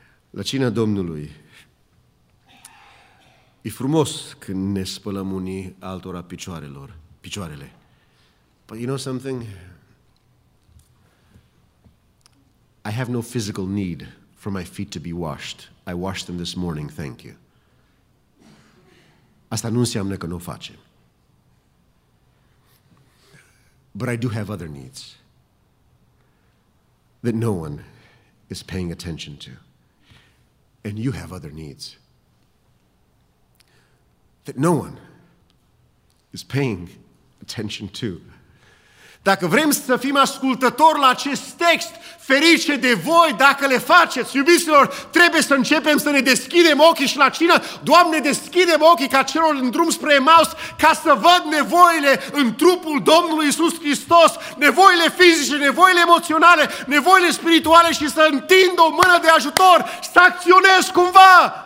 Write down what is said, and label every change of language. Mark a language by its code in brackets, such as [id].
[ro] La cina Domnului, e frumos când ne spălăm unii altora picioarele. [en] But you know something? I have no physical need for my feet to be washed. I washed them this morning, thank you. [ro] Asta nu înseamnă că nu o facem. [en] But I do have other needs that no one is paying attention to. And you have other needs that no one is paying attention to. [ro] Dacă vrem să fim ascultători la acest text, ferice de voi dacă le faceți, iubiților, trebuie să începem să ne deschidem ochii și la cină. Doamne, deschidem ochii ca celor în drum spre Emaus, ca să văd nevoile în trupul Domnului Iisus Hristos, nevoile fizice, nevoile emoționale, nevoile spirituale și să întind o mână de ajutor, să acționez cumva.